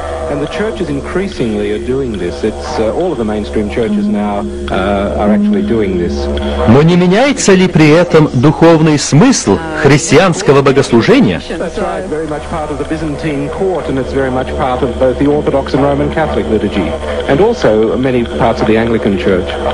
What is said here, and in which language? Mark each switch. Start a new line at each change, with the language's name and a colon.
English: And the churches increasingly are doing this. It's all of the mainstream churches now are actually doing this.
Russian: Но не меняется ли при этом духовный смысл христианского богослужения?
English: That's right, very much part of the Byzantine court, and it's very much part of both the Orthodox and Roman Catholic liturgy, and also many parts of the Anglican church.